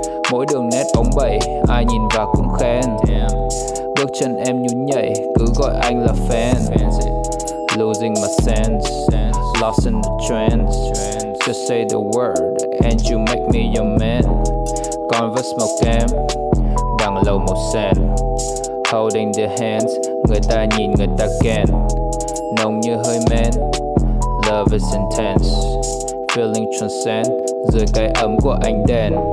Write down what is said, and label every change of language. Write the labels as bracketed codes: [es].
[vi] Mỗi đường nét bóng bẩy, ai nhìn vào cũng khen. [en] Damn. [vi] Bước chân em nhún nhảy, cứ gọi anh là fan. [en] Fancy. Losing my sense, lost in the trends. Trends. Just say the word, and you make me your man. [vi] Converse màu kem, đằng lầu màu sen. [en] Holding their hands, [vi] người ta nhìn người ta ken. Nồng như hơi men, [en] love is intense. Feeling transcend, [vi] dưới cái ấm của anh đèn.